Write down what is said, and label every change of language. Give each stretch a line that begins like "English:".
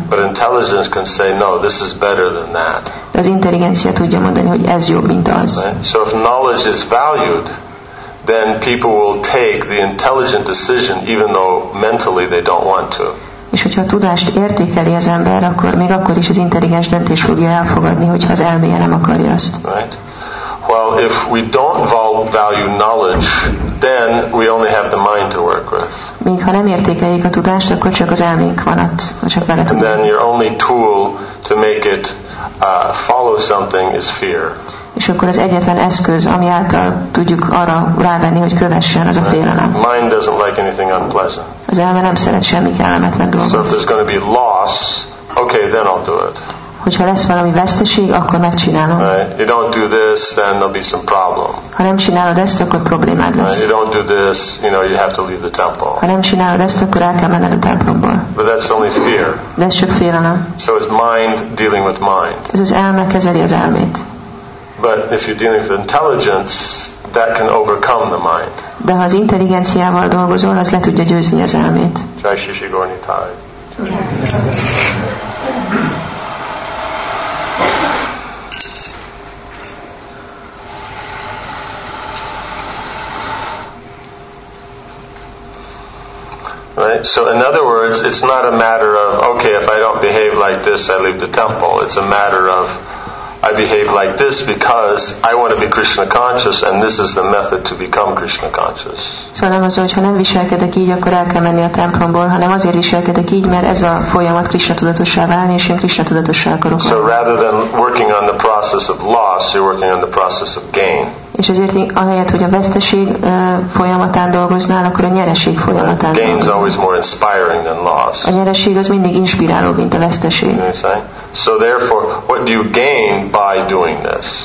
English: But intelligence can say, no, this is better than that.
Hungarian: De az intelligencia tudja mondani, hogy ez jobb, mint az.
English: Right? So if knowledge is valued, then people will take the intelligent decision, even though mentally they don't want to.
Hungarian: És hogyha a tudást értékeli az ember, akkor még akkor is az intelligens döntés fogja elfogadni, hogyha az elméje nem akarja azt.
English: Right. Well, if we don't value knowledge, then we only have the mind to work with.
Hungarian: Még ha nem értékeljük a tudást, akkor csak az elménk van ott, csak vele tudunk.
English: And then your only tool to make it follow something is fear.
Hungarian: És akkor az egyetlen eszköz, ami által tudjuk arra rávenni, hogy kövessen, az a félelem.
English: Mind doesn't like anything unpleasant.
Hungarian: Az elme nem szeret semmi kellemetlen dolgot.
English: So if there's going to be loss, okay, then I'll do it.
Hungarian: Hogyha lesz valami veszteség, akkor megcsinálom.
English: Right. You don't do this, then there'll be some problem.
Hungarian: Ha nem csinálod ezt, akkor problémád lesz.
English: Right. You don't do this, you know, you have to leave the temple.
Hungarian: Ha nem csinálod ezt, akkor el kell menned a templomból.
English: But that's only fear.
Hungarian: De ez csak félelem.
English: So it's mind dealing with mind.
Hungarian: Ez az elme kezeli az elmét.
English: But if you're dealing with intelligence, that can overcome the mind.
Hungarian: De ha az intelligenciával dolgozol, az le tudja győzni az elmét.
Sanskrit: Jai Shri Shri Gaur Nitai.
English: Right? So in other words, it's not a matter of, okay, if I don't behave like this, I leave the temple. It's a matter of, I behave like this because I want to be Krishna conscious, and this is the method to become Krishna conscious.
Hungarian: So nem az, hogy ha nem viselkedek így, akkor el kell menni a templomból, hanem azért viselkedek így, mert ez a folyamat Krishna tudatossá válni, és én Krishna tudatossá akarok.
English: So rather than working on the process of loss, you're working on the process of gain.
Hungarian: és ezért ahelyett, hogy a veszteség folyamatán dolgoznál, akkor a nyereség folyamatán.
English: Gain is always more inspiring than loss.
Hungarian: A nyereség az mindig inspirálóbb, mint a veszteség.
English: So therefore, what do you gain by doing this?